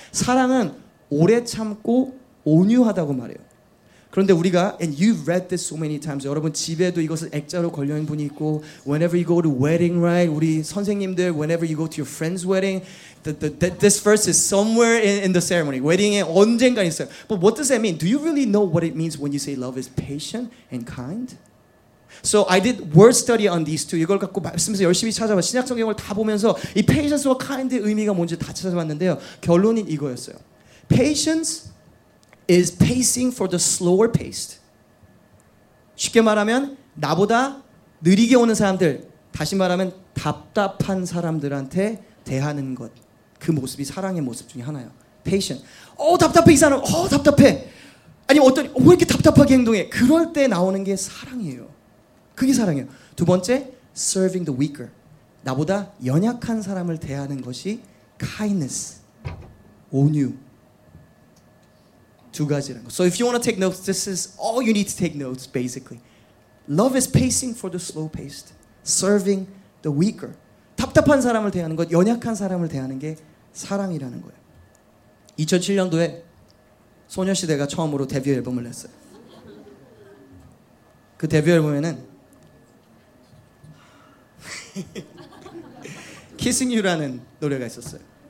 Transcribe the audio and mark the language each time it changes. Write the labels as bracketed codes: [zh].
[ko] 사랑은 오래 참고 온유하다고 말해요. 그런데 우리가 [en] and you've read this so many times. [ko] 여러분 집에도 이것을 액자로 걸려 있는 분이 있고 [en] whenever you go to wedding, right? [ko] 우리 선생님들 [en] whenever you go to your friend's wedding, this verse is somewhere in the ceremony. [ko] Wedding에 언젠가 있어요. [en] But what does that mean? Do you really know what it means when you say love is patient and kind? So I did word study on these two. [ko] 이걸 갖고 말씀해서 열심히 찾아봐. 신약 성경을 다 보면서 이 patience와 kind의 의미가 뭔지 다 찾아봤는데요. 결론이 이거였어요. [en] Patience is pacing for the slower paced. [ko] 쉽게 말하면 나보다 느리게 오는 사람들, 다시 말하면 답답한 사람들한테 대하는 것. 그 모습이 사랑의 모습 중에 하나예요. Patient. 어 답답해 이 사람. 어 답답해. 아니면 어떤 왜 이렇게 답답하게 행동해. 그럴 때 나오는 게 사랑이에요. 그게 사랑이에요. 두 번째, [en] serving the weaker. [ko] 나보다 연약한 사람을 대하는 것이 kindness, 온유. 두 가지라는 거. [en] So if you want to take notes, this is all you need to take notes, basically. Love is pacing for the slow paced. Serving the weaker. [ko] 답답한 사람을 대하는 것, 연약한 사람을 대하는 게 사랑이라는 거예요. 2007년도에 소녀시대가 처음으로 데뷔 앨범을 냈어요. 그 데뷔 앨범에는 Kissing You라는 노래가 있었어요.